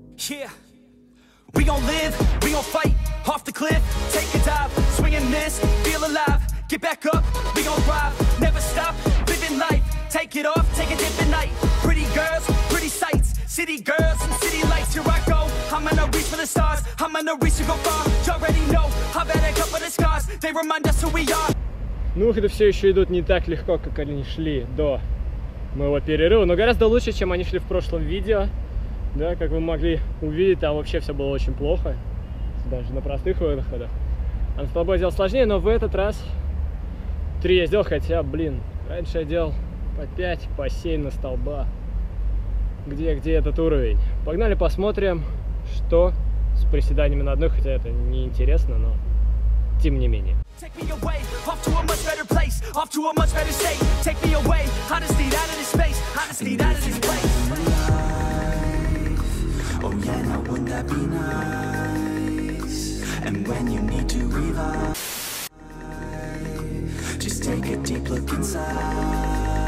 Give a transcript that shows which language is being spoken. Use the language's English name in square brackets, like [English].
[English] We gon' live, we gon' fight, off the cliff, take a dive, swing and miss, feel alive, get back up, we gon' thrive, never stop, living life, take it off, take a dip at night, pretty girls, pretty sights, city girls and city lights, here I go, I'm gonna reach for the stars, I'm gonna reach to go far, you already know, I've had a couple of scars, they remind us who we are. [Russian] Ну, выходы все еще идут не так легко, как они шли до моего перерыва, но гораздо лучше, чем они шли в прошлом видео. Да, как вы могли увидеть, там вообще все было очень плохо, даже на простых выходах. А на столбе делал сложнее, но в этот раз 3 я сделал, хотя, блин, раньше я делал по 5, по 7 на столба. Где этот уровень? Погнали посмотрим, что с приседаниями на одной, хотя это неинтересно, но тем не менее. [English] Take me away, off to a much better place, off to a much better state. Take me away, honestly, out of this space, honestly, out of this place. Oh yeah, now wouldn't that be nice? And when you need to revive, just take a deep look inside.